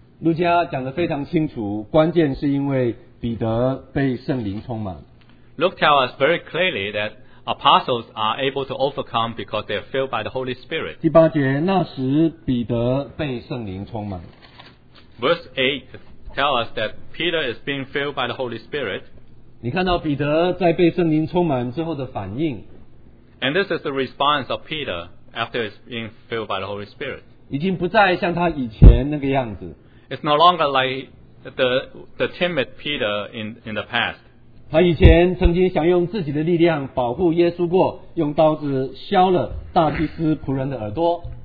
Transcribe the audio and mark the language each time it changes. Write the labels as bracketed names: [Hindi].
[Chinese] 路加讲得非常清楚，关键是因为彼得被圣灵充满。 [English] Luke tells us very clearly that apostles are able to overcome because they are filled by the Holy Spirit. [Chinese] 第八节，那时彼得被圣灵充满。 [English] Verse 8 tells us that Peter is being filled by the Holy Spirit. [Chinese] 你看到彼得在被圣灵充满之后的反应。 [English] And this is the response of Peter after he's being filled by the Holy Spirit. [Chinese] 已经不再像他以前那个样子。 [English] It's no longer like the timid Peter in the past. [Chinese] 他以前曾经想用自己的力量保护耶稣过，用刀子削了大祭司仆人的耳朵。